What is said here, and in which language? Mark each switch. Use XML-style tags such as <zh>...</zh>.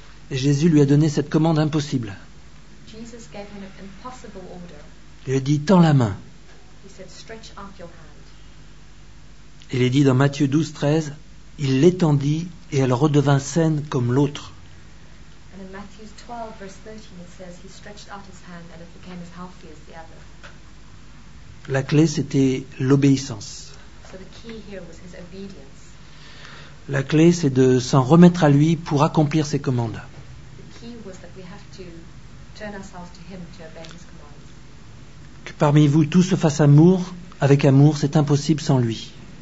<fr>Et Jésus lui a donné cette commande impossible.</fr> <en>Jesus gave him an impossible order.</en> <fr>Il lui a dit, tends la main.</fr> <en>He said, stretch out your hand.</en> <fr>Il est dit dans Matthieu 12, 13, il l'étendit et elle redevint saine comme l'autre.</fr> <en>And in Matthew 12, verse 13, it says, he stretched out his hand and it became as healthy as the other.</en> <fr>La clé, c'était l'obéissance.</fr> <en>So the key here was his obedience.</en> <fr>La clé, c'est de s'en remettre à lui pour accomplir ses commandes.</fr> <en>The key was that we have to turn ourselves to him to obey his commands.</en> <fr>Que parmi vous, tout se fasse amour. Avec amour, c'est impossible sans lui.</fr>